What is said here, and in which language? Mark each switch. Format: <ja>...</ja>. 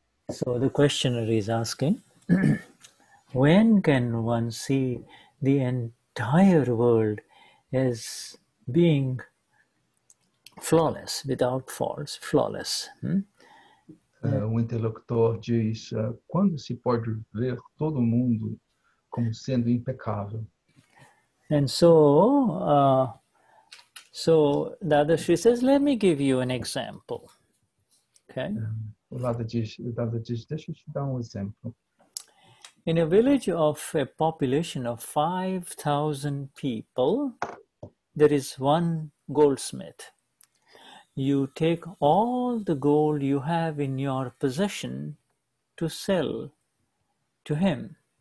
<en>So the questioner is asking, when can one see the entire world as being flawless, without faults, flawless?</en> <pt>O interlocutor diz, quando se pode ver todo mundo como sendo impecável?</pt> <en>And so, so Dadashri says, let me give you an example. Okay?</en> <pt>O Dada diz, deixa eu te dar um exemplo.</pt> <en>In a village of a population of 5,000 people, there is one goldsmith. You take all the gold you have in your possession to sell to him.</en>